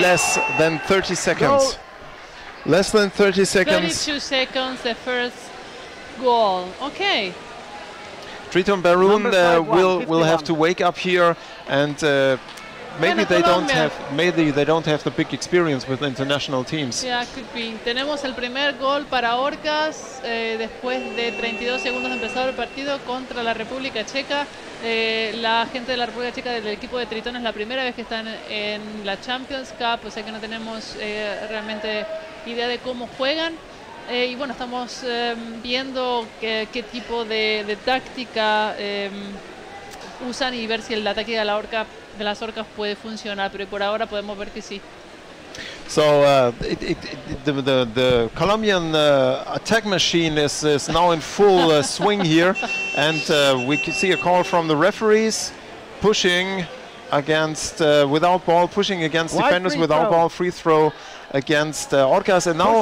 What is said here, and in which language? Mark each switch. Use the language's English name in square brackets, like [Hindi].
[English] Less than 30 seconds. Goal. Less than 30 seconds. 32 seconds, the first goal. Okay. Triton Beroun will have to wake up here, and maybe they don't have the big experience with international teams. Yeah, could be. [Spanish] Tenemos el primer gol para Orcas después de 32 segundos de empezado el partido contra la República Checa. La gente de la República Checa del equipo de Triton es la primera vez que están en la Champions Cup, o sea que no tenemos realmente idea de cómo juegan. Y bueno, estamos viendo qué tipo de táctica usan y ver si el ataque de las orcas puede funcionar, pero por ahora podemos ver que sí. [English] So the Colombian attack machine is now in full swing here, and we can see a call from the referees pushing against without ball, pushing against wide defenders without ball, free throw against Orcas, and now